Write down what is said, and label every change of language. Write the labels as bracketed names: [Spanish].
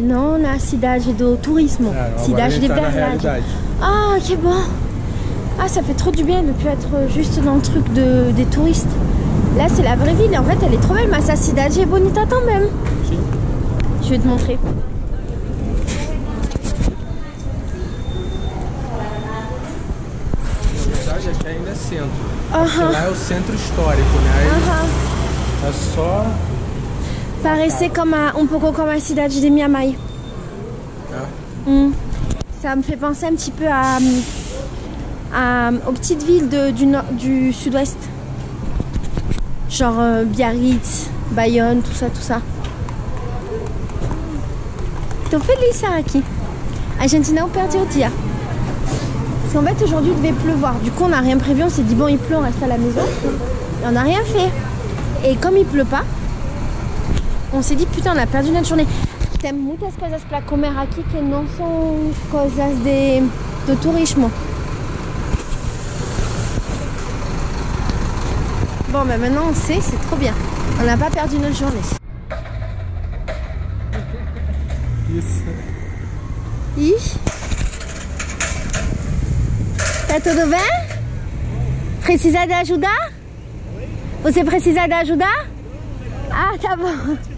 [Portuguese] Não na cidade do turismo. Cidade de verdade. Ah, que bon. [French] Ah, ça fait trop du bien de ne plus être juste dans le truc des touristes. Là, c'est la vraie ville. En fait, elle est trop belle, mais sa cidade est bonita quand même. Je vais te montrer. Là, au centre historique, né? [Portuguese] É só. Parece como um pouco como a cidade de Miami. [French] Ça me fait penser un petit peu aux petites villes du sud-ouest. Genre Biarritz, Bayonne, tout ça. [Portuguese] Tô feliz aqui. A gente não perdeu o dia. [French] En fait, aujourd'hui, il devait pleuvoir. Du coup, on n'a rien prévu. On s'est dit, bon, il pleut, on reste à la maison. Et on n'a rien fait. Et comme il pleut pas, on s'est dit, putain, on a perdu notre journée. [Portuguese] T'aimes muitas coisas pra comer aqui que não são coisas de tourisme. [French] Bon, mais maintenant, on sait, c'est trop bien. On n'a pas perdu notre journée. Oui. [Portuguese] Tá tudo bem? Precisa de ajuda? Você precisa de ajuda? Ah, tá bom.